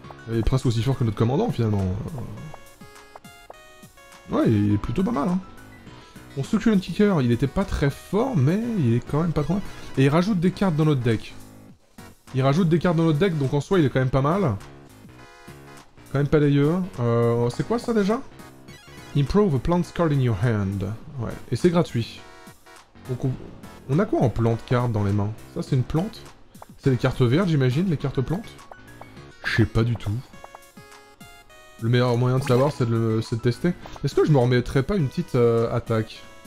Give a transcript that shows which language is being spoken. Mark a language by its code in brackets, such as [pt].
[fr] Il est presque aussi fort que notre commandant, finalement. Ouais, il est plutôt pas mal, hein. On s'occupe un kicker, il était pas très fort, mais il est quand même pas trop mal. Et il rajoute des cartes dans notre deck. Il rajoute des cartes dans notre deck, donc en soi, il est quand même pas mal. Quand même pas dégueu. C'est quoi ça déjà? [en] Improve a plant card in your hand. [fr] Ouais, et c'est gratuit. Donc on a quoi en plant card dans les mains? Ça, c'est une plante? C'est les cartes vertes, j'imagine, les cartes plantes? Je sais pas du tout. Le meilleur moyen de savoir, c'est de tester. Est-ce que je me remettrais pas une petite attaque?